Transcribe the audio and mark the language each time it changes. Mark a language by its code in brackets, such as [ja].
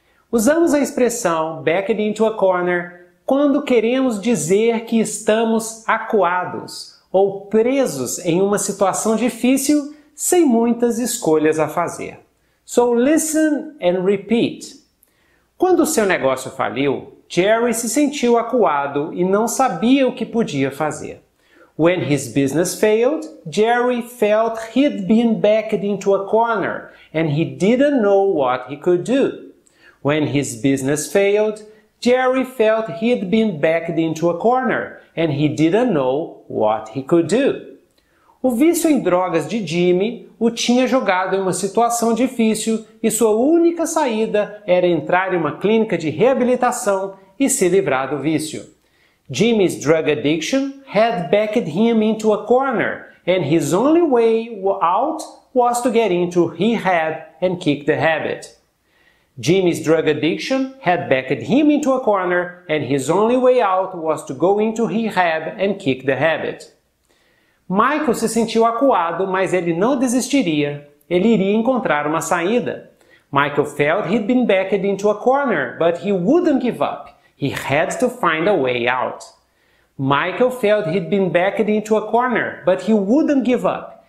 [pt] Usamos a expressão [en] backed into a corner [pt] quando queremos dizer que estamos acuados ou presos em uma situação difícil sem muitas escolhas a fazer. [en] So listen and repeat. [pt] Quando o seu negócio faliu, Jerry se sentiu acuado e não sabia o que podia fazer. [en] When his business failed, Jerry felt he'd been backed into a corner and he didn't know what he could do. When his business failed, Jerry felt he'd been backed into a corner and he didn't know what he could do. [pt] O vício em drogas de Jimmy o tinha jogado em uma situação difícil e sua única saída era entrar em uma clínica de reabilitação e se livrar do vício. [en] Jimmy's drug addiction had backed him into a corner and his only way out was to get into rehab and kick the habit. Jimmy's drug addiction had backed him into a corner and his only way out was to go into rehab and kick the habit. [pt] Michael se sentiu acuado, mas ele não desistiria. Ele iria encontrar uma saída. [en] Michael felt he'd been backed into a corner, but he wouldn't give up. He had to find a way out. Michael felt he'd been backed into a corner, but he wouldn't give up.